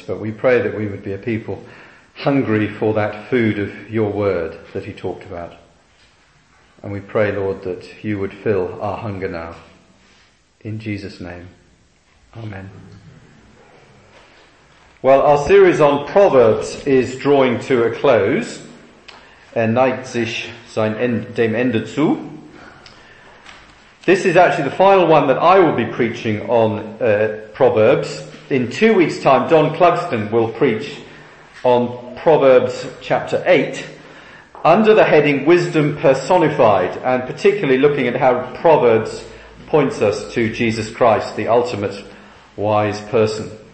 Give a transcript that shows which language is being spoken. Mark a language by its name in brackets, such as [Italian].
[English] But we pray that we would be a people hungry for that food of your word that he talked about. And we pray, Lord, that you would fill our hunger now. In Jesus' name. Amen. Well, our series on Proverbs is drawing to a close. [German] Neigt sich sein dem Ende zu. [English] This is actually the final one that I will be preaching on Proverbs. In 2 weeks' time, Don Clugston will preach on Proverbs chapter 8 under the heading Wisdom Personified, and particularly looking at how Proverbs points us to Jesus Christ, the ultimate wise person.